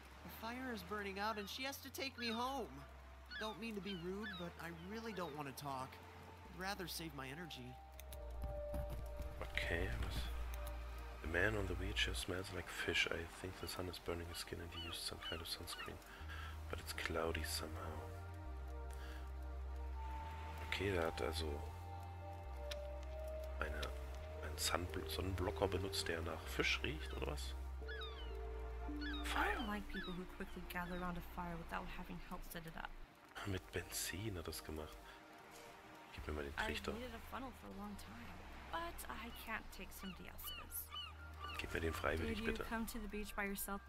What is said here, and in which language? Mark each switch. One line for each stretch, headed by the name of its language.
English: The fire is burning out and she has to take me home. Don't mean to be rude, but I really don't want to talk. Rather save my energy.
German: Okay, was?
English: The man on the wheelchair smells like fish. I think the sun is burning his skin and he used some kind of sunscreen. But it's cloudy somehow.
German: Okay, der hat also einen Sonnenblocker benutzt, der nach Fisch riecht, oder was?
English: I don't like people who quickly gather around a fire without having help set it up.
German: Mit Benzin hat er das gemacht. Gib mir mal den Trichter.
English: I've needed a funnel for a long time, but I can't take somebody else's.
German: Gib mir den freiwillig, bitte.
English: Did you come to the beach by yourself?